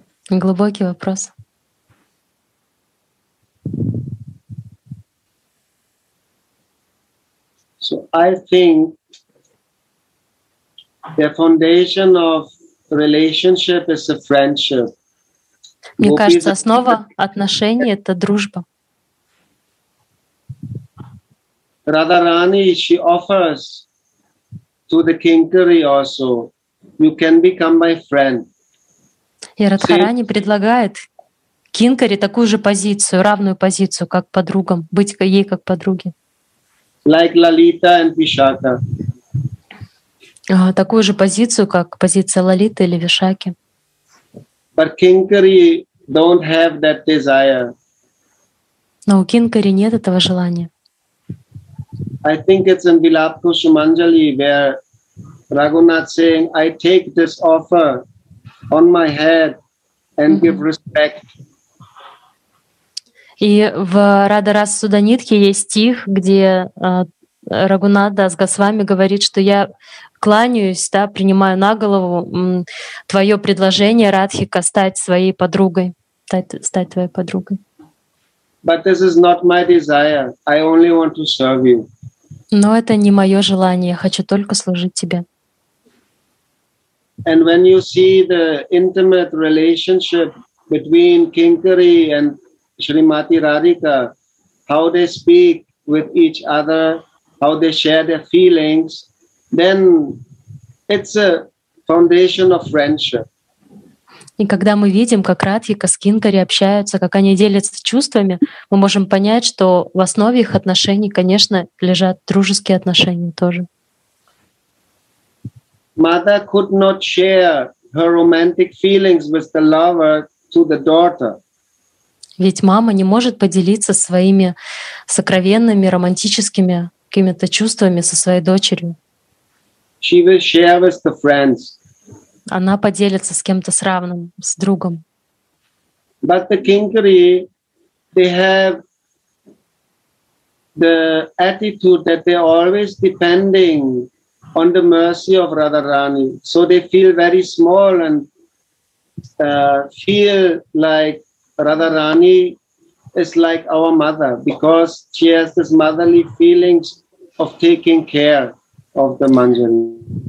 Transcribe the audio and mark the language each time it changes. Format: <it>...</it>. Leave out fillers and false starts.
<ru>Глубокий вопрос.</ru> <en>So I think the foundation of relationship is a friendship.</en> <ru>Мне кажется, основа отношений — это дружба.</ru> <en>Radharani, she offers to the Kinkari also, you can become my friend.</en> <ru>И Радхарани предлагает Кинкари такую же позицию, равную позицию, как подругам, быть ей как подруге.</ru> <en>Like Lalita and Vishaka.</en> <ru>Такую же позицию, как позиция Лалиты или Вишаки.</ru> <en>But Kinkari don't have that desire.</en> <ru>Но у Кинкари нет этого желания.</ru> <en>I think it's in Vilapko Sumanjali where Raghunath saying, I take this offer on my head and give respect.</en> <ru>И в Радарас Суданитхе есть стих, где Рагхунат Дас Госвами говорит, что я кланяюсь, да, принимаю на голову твое предложение, Радхика, стать своей подругой, стать твоей подругой.</ru> <en>But this is not my desire. I only want to serve you.</en> <ru>Но это не мое желание, я хочу только служить тебе.</ru> <en>And when you see the intimate relationship between Kinkari and Shrimati Radhika, how they speak with each other, how they share their feelings, then it's a foundation of friendship.</en> <ru>И когда мы видим, как Радхика с Кинкари общаются, как они делятся чувствами, мы можем понять, что в основе их отношений, конечно, лежат дружеские отношения тоже.</ru> <en>Mother could not share her romantic feelings with the lover to the daughter.</en> <ru>Ведь мама не может поделиться своими сокровенными, романтическими какими-то чувствами со своей дочерью.</ru> <en>She will share with the friends.</en> <ru>Она поделится с кем-то с равным, с другом.</ru> <en>But the Kinkari, they have the attitude that they're always depending on the mercy of Radharani. So they feel very small and feel like Radharani is like our mother because she has this motherly feelings of taking care of the Manjari.</en>